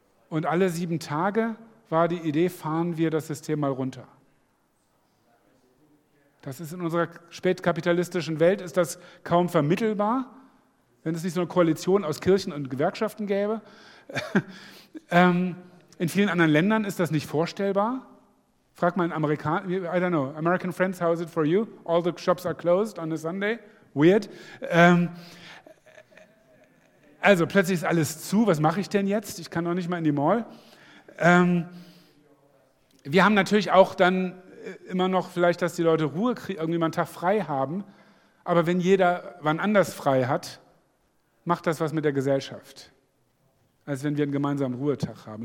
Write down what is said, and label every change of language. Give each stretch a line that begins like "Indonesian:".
German: Und alle 7 Tage war die Idee, fahren wir das System mal runter. Das ist in unserer spätkapitalistischen Welt ist das kaum vermittelbar, wenn es nicht so eine Koalition aus Kirchen und Gewerkschaften gäbe. In vielen anderen Ländern ist das nicht vorstellbar. Frag mal einen Amerikaner,
English: I don't know, American friends, how is it for you? All the shops are closed on a Sunday. Weird.
German: Also plötzlich ist alles zu, was mache ich denn jetzt? Ich kann doch nicht mal in die Mall. Wir haben natürlich auch dann immer noch vielleicht, dass die Leute Ruhe kriegen, irgendwie mal einen Tag frei haben, aber wenn jeder wann anders frei hat, macht das was mit der Gesellschaft, als wenn wir einen gemeinsamen Ruhetag haben.